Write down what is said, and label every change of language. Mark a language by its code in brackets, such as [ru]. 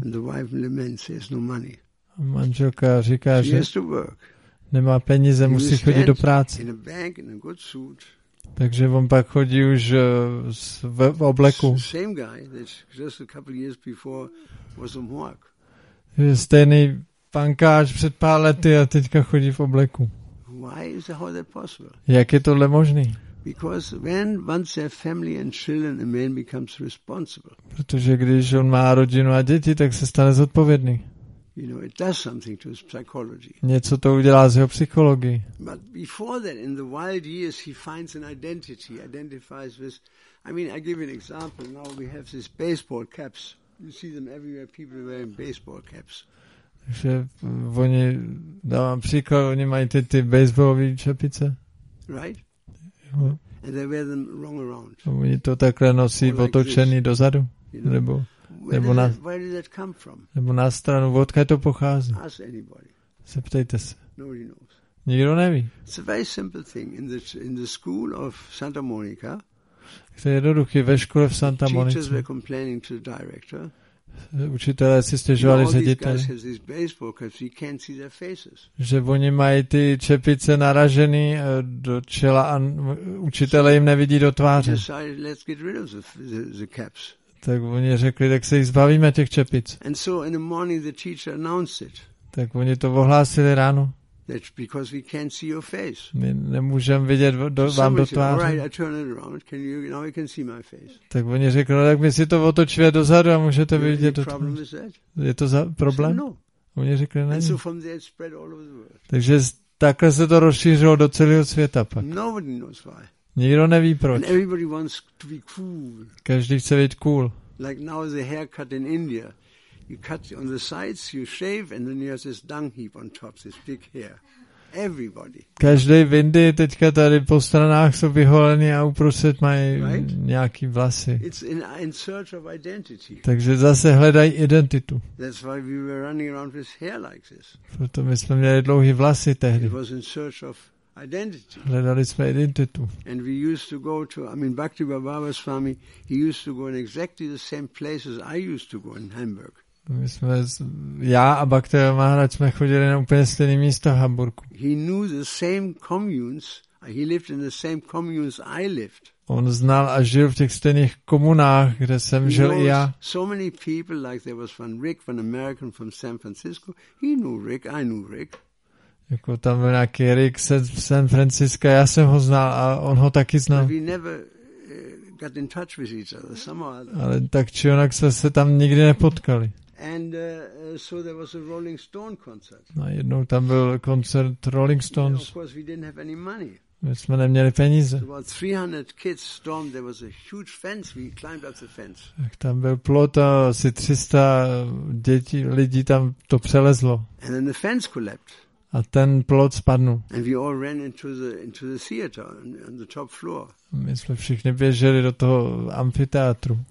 [en] And the wife laments, there's no money. [cs] A manželka říká, [en] she [cs] že [en] has to work. [cs] Nemá peníze, [en] he [cs] musí chodit do práce. [en] In a bank, in a good suit. [cs] Takže on pak chodí už v obleku. [en] Same guy that just a couple years before was a Mohawk. [cs] Je stejný pankáč před pár lety a teďka chodí v obleku. [en] Why is how that possible? [cs] Jak je tohle možný? [en] Because when once their family and children, a man becomes responsible. [cs] Protože když on má rodinu a děti, tak se stane zodpovědný. [en] You know, it does something to his psychology. [cs] Něco to udělá z jeho psychologii. [en] But before that, in the wild years, he finds an identity, identifies with. I mean, I give you an example. Now we have these baseball caps. You see them everywhere. People are wearing baseball caps. [cs] Takže oni, dávám příklad, oni mají ty baseballové čepice. [en] Right? [cs] Jo. [en] And they wear them wrong around. [cs] A oni to takhle nosí [en] like [cs] otočený [en] this, [cs] dozadu, [en] you know? [cs] Nebo. [en] Where did that come from? [cs] Nebo na stranu, odkud to pochází? [en] Ask anybody. [cs] Zeptejte se. [en] Nobody knows. [cs] Nikdo neví. [en] It's a very simple thing in the school of Santa Monica. [cs] To je jednoduché ve škole v Santa Monica. [en] Teachers were complaining to the director. [cs] Učitelé si stěžovali řediteli. [en] All these guys have these baseball caps. You can't see their faces. [cs] Že oni mají ty čepice naražené do čela a učitelé jim nevidí do tváře. [en] Let's get rid of the caps. [cs] Tak oni řekli, tak se jich zbavíme těch čepic. [en] And so in the morning the teacher announced it. [cs] Tak oni to ohlásili ráno. [en] That's because we can't see your face. [cs] My nemůžeme vidět vám do tváře. [en] Right, I turn it around. Can you now you can see my face? [cs] Tak oni řekli, tak my si to otočíme dozadu a můžete vidět do tváře. Je to za problém? [en] No. [cs] Oni řekli, ne. [en] And so from there it spread all over the world. [cs] Takže takhle se to rozšířilo do celého světa pak. [en] Nobody knows why. [cs] Nikdo neví proč. [en] And everybody wants to be cool. [cs] Každý chce být cool. [en] Like now the haircut in India, you cut on the sides, you shave, and then you have this dung heap on top, this big hair. Everybody. [cs] Každý v Indii teďka tady po stranách jsou vyholení a uprostřed mají nějaký vlasy. [en] It's in search of identity. [cs] Takže zase hledají identitu. [en] That's why we were running around with hair like this. [cs] Proto my jsme měli dlouhý vlasy tehdy. [en] It was in search of identity. [cs] Hledali jsme identitu. [en] And we used to go to, I mean, Bhakti Baba Swami, he used to go in exactly the same places I used to go in Hamburg. [cs] My jsme, já a Bhakti Baba Maharaj jsme chodili na úplně stejné místo v Hamburgu. [en] He knew the same communes, he lived in the same communes I lived. [cs] On znal a žil v těch stejných komunách, kde jsem [en] he [cs] žil i já. [en] So many people, like there was one Rick, one American from San Francisco, he knew Rick, I knew Rick. [cs] Jako tam byl nějaký Rick z San Francisco, já jsem ho znal a on ho taky znal. [en] We never got in touch with each other, somehow. [cs] Ale tak či onak jsme se tam nikdy nepotkali. [en] And so there was a Rolling Stone concert. [cs] No, jednou tam byl koncert Rolling Stones. [en] Yeah, of course we didn't have any money. [cs] My jsme neměli peníze. [en] About 300 kids stormed. There was a huge fence. We climbed up the fence. [cs] Tak tam byl plot a asi 300 dětí, lidí tam to přelezlo. [en] And then the fence collapsed. [cs] A ten plot spadnul. [en] And we all ran into the theater on the top floor. [cs] My jsme všichni běželi do toho amfiteátru.